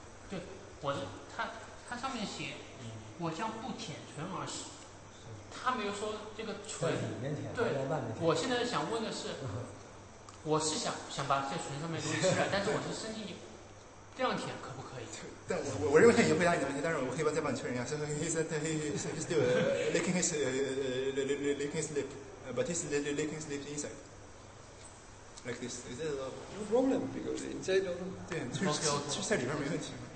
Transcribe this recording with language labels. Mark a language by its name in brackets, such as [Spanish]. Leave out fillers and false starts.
[Chinese] 对，我的他上面写，我将不舔唇而食，他没有说这个唇里面舔，对，外面舔。我现在想问的是，我是想把这唇上面东西吃了，但是我是伸进去。这样舔可不可以？但我认为他已经回答你的问题，但是我可以再帮你确认一下。 [English] So he's still licking his licking his lip, but he's licking his lip inside, like this. Is that a no problem? Because inside of [Chinese] 对，就是就在里边没问题。